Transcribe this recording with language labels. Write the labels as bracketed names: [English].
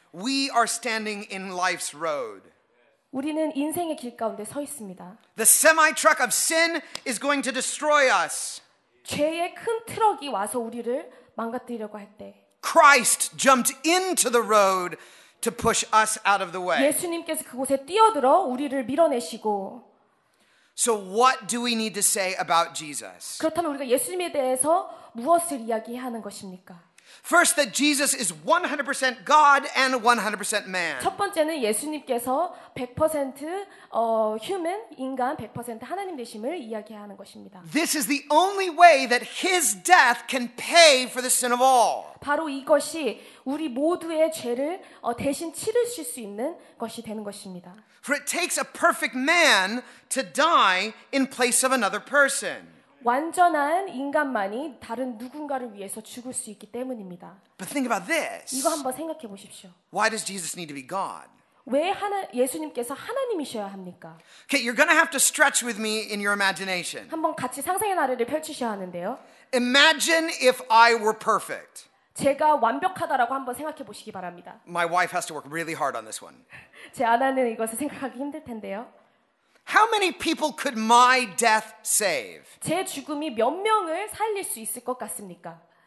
[English] We are standing in life's road. [Korean] 우리는 인생의 길 가운데 서 있습니다. [English] The semi truck of sin is going to destroy us. [Korean] 죄의 큰 트럭이 와서 우리를 망가뜨리려고 할 때. [English] Christ jumped into the road to push us out of the way. [Korean] 예수님께서 그곳에 뛰어들어 우리를 밀어내시고. [English] So what do we need to say about Jesus? [Korean] 그렇다면 우리가 예수님에 대해서 무엇을 이야기해야 하는 것입니까? [English] First, that Jesus is 100% God and 100% man. [Korean] 첫 번째는 예수님께서 100% human 인간 100% 하나님 되심을 이야기하는 것입니다. [English] This is the only way that His death can pay for the sin of all. [Korean] 바로 이것이 우리 모두의 죄를 대신 치르실 수 있는 것이 되는 것입니다. [English] For it takes a perfect man to die in place of another person. [Korean] 완전한 인간만이 다른 누군가를 위해서 죽을 수 있기 때문입니다. [English] But think about this. [Korean] 이거 한번 생각해 보십시오. [English] Why does Jesus need to be God? [Korean] 왜 예수님께서 하나님이셔야 합니까? [English] Okay, you're going to have to stretch with me in your imagination. [Korean] 한번 같이 상상의 나래를 펼치셔야 하는데요. [English] Imagine if I were perfect. [Korean] 제가 완벽하다라고 한번 생각해 보시기 바랍니다. [English] My wife has to work really hard on this one. [Korean] 제 아내는 이것을 생각하기 힘들 텐데요. [English] How many people could my death save? [Korean] 제 죽음이 몇 명을 살릴 수 있을 것 같습니까?